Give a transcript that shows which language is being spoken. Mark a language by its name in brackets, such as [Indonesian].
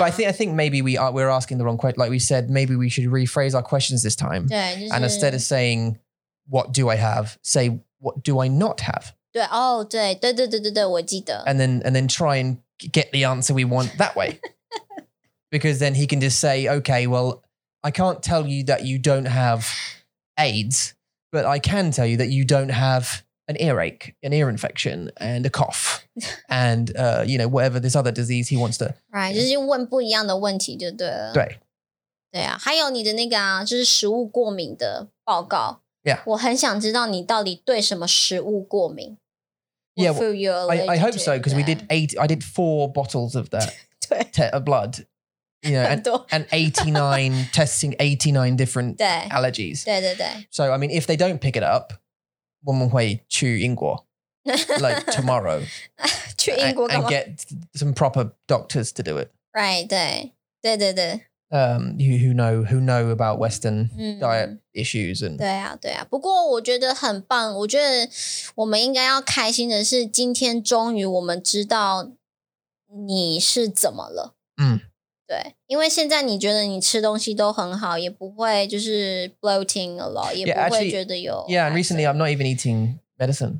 [English] but I think maybe we're asking the wrong question. Like we said, maybe we should rephrase our questions this time. [Chinese] 对，就是。 [English] And instead of saying what do I have, say what do I not have. [Chinese] 对, 哦, 对, 对, 对, 对, 对, 对, 我记得。 [English] And then try and get the answer we want that way. Because then he can just say, okay, well, I can't tell you that you don't have AIDS, but I can tell you that you don't have an earache, an ear infection, and a cough, and, you know, whatever this other disease he wants to... [Chinese] Right, 就是问不一样的问题就对了。对。对啊,还有你的那个啊,就是食物过敏的报告。 [English] Yeah. [Chinese] 我很想知道你到底对什么食物过敏。 [English] Yeah, I hope so, because we did eight, I did four bottles of that of blood. You know, and 89, testing 89 different allergies. [Chinese] 对对对。 [English] So, I mean, if they don't pick it up, [Chinese] 我们会去英国, [English] like tomorrow. [Chinese] 去英国干嘛? [English] And get some proper doctors to do it. [Chinese] Right, 对。对对对。 [English] Who know about Western diet issues and [Chinese] 对啊，对啊。不过我觉得很棒，我觉得我们应该要开心的是，今天终于我们知道你是怎么了。嗯，对，因为现在你觉得你吃东西都很好，也不会就是 [English] bloating a lot, [Chinese] 也不会觉得有。 [English] Yeah, and recently I'm not even eating medicine.